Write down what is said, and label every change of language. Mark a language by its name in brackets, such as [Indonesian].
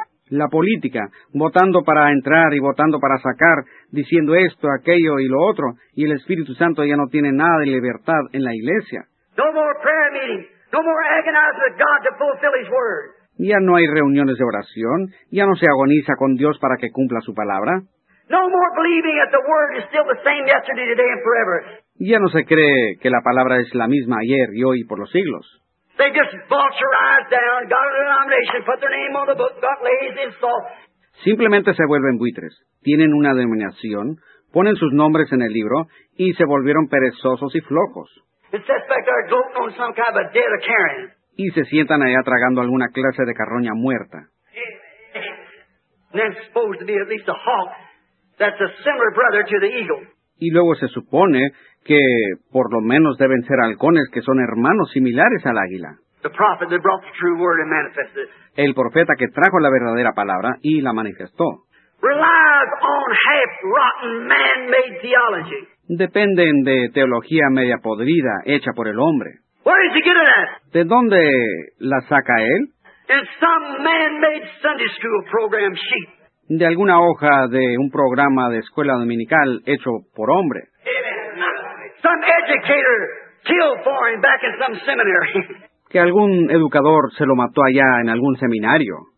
[Spanish] La política, votando para entrar y votando para sacar, diciendo esto, aquello y lo otro, y el Espíritu Santo ya no tiene nada de libertad en la iglesia. [English] No more prayer meeting. No more agonizing with God to fulfill His word. [Spanish] Ya no hay reuniones de oración. Ya no se agoniza con Dios para que cumpla su palabra. [English] No more believing that the word is still the same yesterday, today, and forever. [Spanish] Ya no se cree que la palabra es la misma ayer y hoy y por los siglos. [English] They just vulturize down, got a denomination, put their name on the book, got lazy and soft. [Spanish] Simplemente se vuelven buitres. Tienen una denominación, ponen sus nombres en el libro y se volvieron perezosos y flojos. [English] It sets back their goat on some kind of a dead carrion. [Spanish] Y se sientan allá tragando alguna clase de carroña muerta. [English] And then supposed to be at least a hawk that's a similar brother to the eagle. [Spanish] y luego se supone que por lo menos deben ser halcones que son hermanos similares al águila. [English] The prophet that brought the true word and manifested it. [Spanish] El profeta que trajo la verdadera palabra y la manifestó. [English] Relies on half-rotten man-made theology. [Spanish] Dependen de teología media podrida hecha por el hombre. [English] Where did you get it at? [Spanish] ¿De dónde la saca él? [English] In some man-made Sunday school program sheet. [Spanish] De alguna hoja de un programa de escuela dominical hecho por hombre. [English] Some educator killed for him back in some seminary. [Spanish] Que algún educador se lo mató allá en algún seminario.